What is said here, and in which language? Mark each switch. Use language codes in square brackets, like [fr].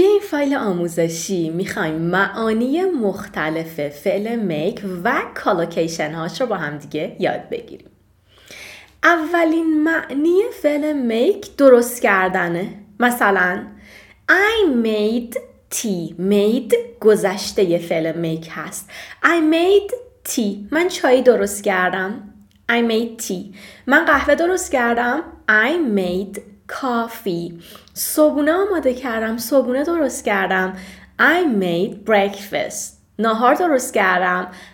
[fa] فایل آموزشی میخوایم معانی مختلف فعل make و collocation هاش رو با هم دیگه یاد بگیریم. اولین معنی فعل make درست کردنه. [en] مثلا I made tea. [fa] made گذشته ی فعل make هست. [en] I made tea. [fa] من چای درست کردم. [en] I made tea. [fa] من قهوه درست کردم. [en] I made [fa] کافی. صبحونه آماده کردم، صبحونه درست کردم. [en] I made breakfast. [fa] ناهار درست کردم.